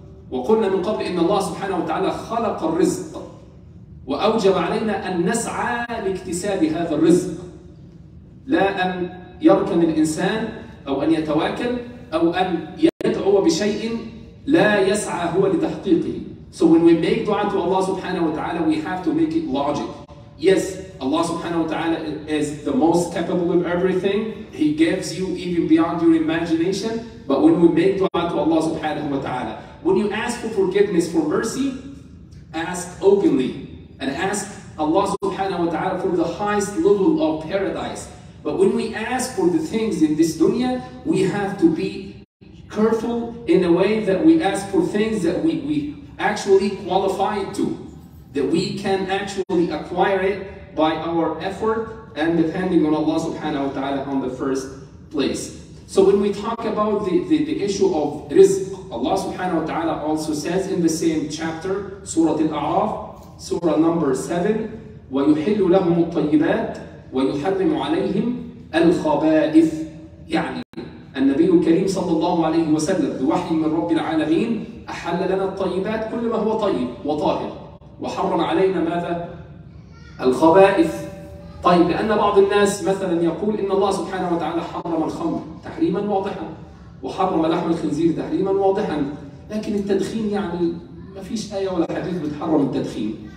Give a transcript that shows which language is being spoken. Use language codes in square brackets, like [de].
[ar] وقلنا من قبل إن الله سبحانه وتعالى خلق الرزق وأوجب علينا أن نسعى لاكتساب هذا الرزق، لا أن يركن الإنسان أو أن يتواكل أو أن يدعو بشيء لا يسعى هو لتحقيقه. [en] So when we make dua to Allah subhanahu wa ta'ala, we have to make it logic. Yes, Allah subhanahu wa ta'ala is the most capable of everything. He gives you even beyond your imagination. But when we make dua to Allah subhanahu wa ta'ala, when you ask for forgiveness, for mercy, ask openly and ask Allah subhanahu wa ta'ala for the highest level of paradise. But when we ask for the things in this dunya, we have to be careful in a way that we ask for things that we actually qualify to, that we can actually acquire it by our effort and depending on Allah subhanahu wa ta'ala on the first place. So when we talk about the issue of rizq, Allah subhanahu wa ta'ala also says in the same chapter, Surat Al-Alaaraf, Surah number 7, [ar] وَيُحِلُّ لَهُمُ الطَّيِّبَاتِ وَيُحَرِّمُ عَلَيْهِمْ الْخَبَائِثِ. يعني النبي الكريم صلى الله عليه وسلم بوحي من رب العالمين أحل لنا الطيبات كل ما هو طيب وطاهر، وحرم علينا ماذا؟ الخبائث. طيب لأن بعض الناس مثلا يقول إن الله سبحانه وتعالى حرم الخمر تحريما واضحا وحرم لحم الخنزير تحريما واضحا، لكن التدخين يعني ما فيش آية ولا حديث بتحرم التدخين.